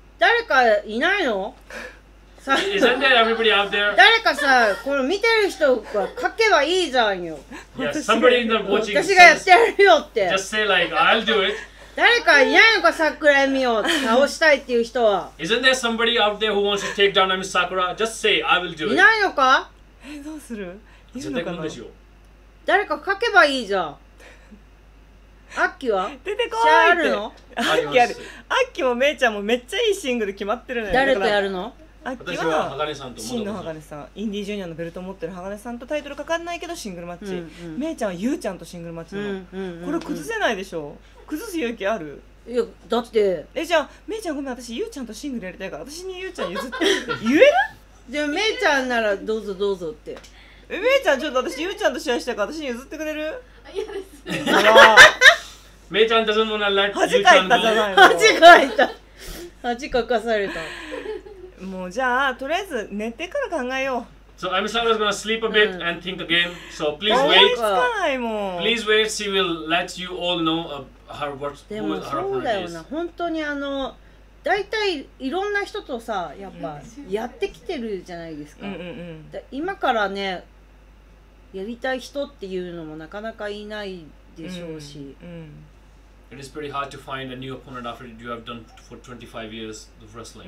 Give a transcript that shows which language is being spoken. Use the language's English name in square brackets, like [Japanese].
[Japanese] 誰かいないの？ [English] Isn't that everybody out there? [Japanese] 誰かさ、これ見てる人が書けばいいじゃんよ。 [English] Yes, somebody in the watching [Japanese] 私がやってやるよって。 [English] Just say like, I'll do it. [Japanese] 誰かいないのか、さくらえみを倒したいっていう人は。 [English] Isn't there somebody out there who wants to take down Miss Sakura? Just say, I will do it. [Japanese] いないのか？どうする？いるのかな？誰か書けばいいじゃん。アッキーは出てこーいって。シャーあるの？アッキーある。アッキーもメイちゃんもめっちゃいいシングル決まってるのよ。誰とやるの？私は鋼さんと真の鋼さん、インディージュニアのベルトを持ってる鋼さんとタイトルかかんないけどシングルマッチ、うんうん、めいちゃんはゆうちゃんとシングルマッチなの、うんうんうんうん、これ崩せないでしょ。崩す勇気ある？いや、だって、え、じゃあめいちゃんごめん、私ゆうちゃんとシングルやりたいから、私にゆうちゃん譲っ て言える？じゃあめいちゃんならどうぞどうぞって。え、めいちゃんちょっと、私ゆうちゃんと試合したいから私に譲ってくれる？嫌です。めいちゃんとそのものはゆうちゃんと、恥かいたじゃないの。恥かいた、恥かかされた。もうじゃあとりあえず寝てから考えよう。 [English] So I'm sorry, I was gonna sleep a bit and think again. So please wait. [Japanese] つかないもん。 [English] Please wait. She will let you all know her words. [Japanese] でもそうだよな。本当にだいたいいろんな人とさ、やっぱやってきてるじゃないですか。うんうんうん、で今からね、やりたい人っていうのもなかなかいないでしょうし。うんうん、 [English] It is pretty hard to find a new opponent after you have done for 25 years of wrestling.